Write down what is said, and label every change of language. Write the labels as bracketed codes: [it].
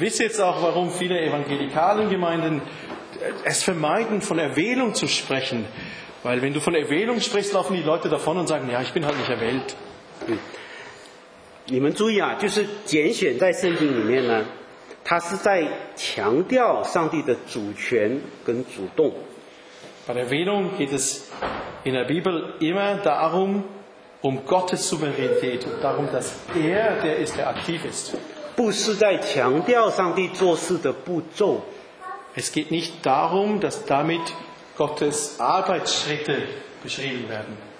[de] wisst jetzt auch, warum viele evangelikalen Gemeinden es vermeiden, von Erwählung zu sprechen. Weil wenn du von Erwählung sprichst, laufen die Leute davon und sagen, ja, ich bin halt nicht erwählt. [zh] 你们注意啊，就是拣选在圣经里面呢，它是在强调上帝的主权跟主动。 [de] Bei der Erwähnung geht es in der Bibel immer darum, um Gottes Souveränität, darum, dass er der ist, der aktiv ist. Es geht nicht darum, dass damit Gottes Arbeitsschritte beschrieben werden.